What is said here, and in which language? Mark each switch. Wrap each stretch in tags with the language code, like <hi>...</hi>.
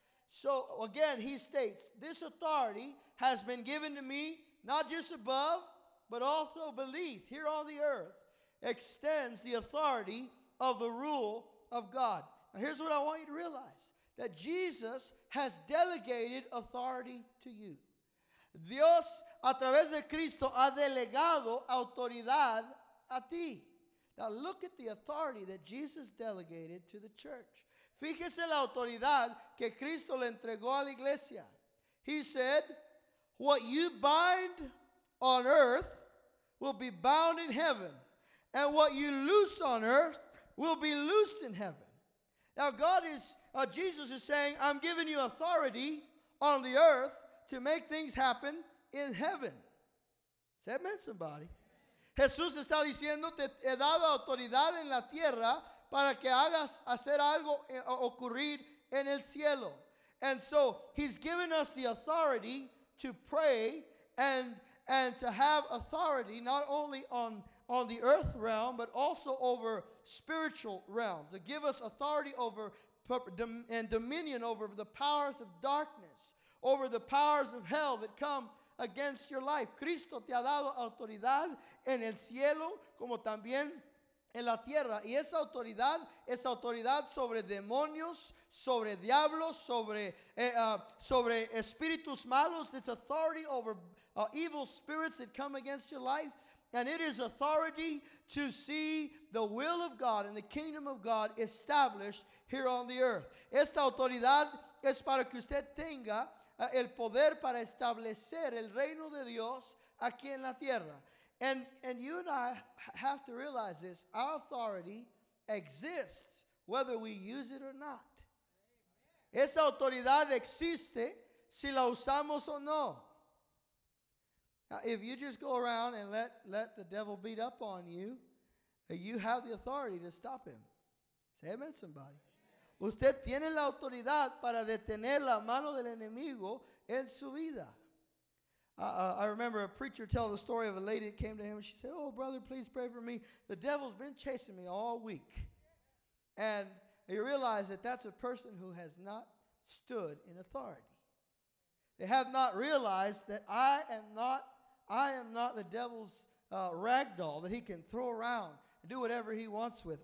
<en>So again, he states, this authority has been given to me, not just above, but also beneath, here on the earth, extends the authority of the rule of God. Now here's what I want you to realize, that Jesus has delegated authority to you.</en> <es>Dios, a través de Cristo, ha delegado autoridad a ti.</es> <en>Now look at the authority that Jesus delegated to the church.</en> <es>Fíjese la autoridad que Cristo le entregó a la iglesia.</es> <en>He said, "What you bind on earth will be bound in heaven, and what you loose on earth will be loosed in heaven." Now Jesus is saying, "I'm giving you authority on the earth to make things happen in heaven." Say amen, somebody.</en> <es>Jesús está diciendo, te he dado autoridad en la tierra para que hagas hacer algo ocurrir en el cielo.</es> <en>And so, He's given us the authority to pray and to have authority not only on the earth realm, but also over spiritual realm. To give us authority over and dominion over the powers of darkness, over the powers of hell that come against your life.</en> <es>Cristo te ha dado autoridad en el cielo como también en la tierra. Y esa autoridad es autoridad sobre demonios, sobre diablos, sobre espíritus malos.</es> <en>It's authority over evil spirits that come against your life. And it is authority to see the will of God and the kingdom of God established here on the earth.</en> <es>Esta autoridad es para que usted tenga el poder para establecer el reino de Dios aquí en la tierra.</es> <en>And you and I have to realize this. Our authority exists whether we use it or not.</en> <es>Esa autoridad existe si la usamos o no.</es> <en>Now, if you just go around and let the devil beat up on you, you have the authority to stop him. Say amen, somebody.</en> <es>Usted tiene la autoridad para detener la mano del enemigo en su vida.</es> <en>I remember a preacher tell the story of a lady that came to him. And she said, "Oh, brother, please pray for me. The devil's been chasing me all week." And he realized that that's a person who has not stood in authority. They have not realized that I am not the devil's rag doll that he can throw around and do whatever he wants with.</en>